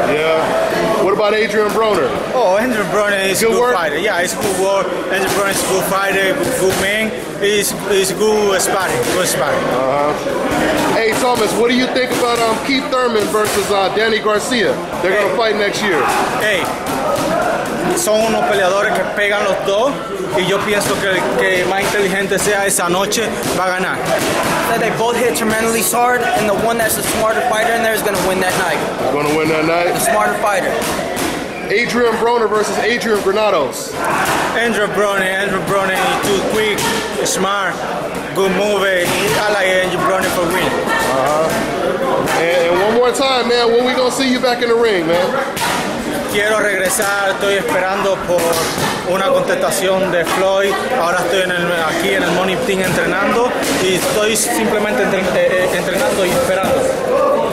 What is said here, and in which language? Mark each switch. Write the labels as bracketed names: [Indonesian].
[English] Yeah. What about Adrian Broner? Oh, Adrian Broner is a good fighter. Yeah, he's a good work. Adrian Broner is a good fighter, good man. He's good sparring. Hey, Thomas, what do you think about Keith Thurman versus Danny Garcia? They're going to fight next year. [Spanish] Hey, son unos peleadores que pegan los dos, y yo pienso que el que más inteligente sea esa noche va a ganar. [English] That they both hit tremendously hard, and the one that's the smarter fighter in there is going to win that night. The smarter fighter. Adrian Broner versus Adrian Granados. Adrian Broner is too quick, smart, good move. I like Adrian Broner for win. And one more time, man, when we gonna see you back in the ring, man? [Spanish] Quiero regresar, estoy esperando por una contestación de Floyd. Ahora estoy aquí en el Money Team entrenando y estoy simplemente entrenando y esperando.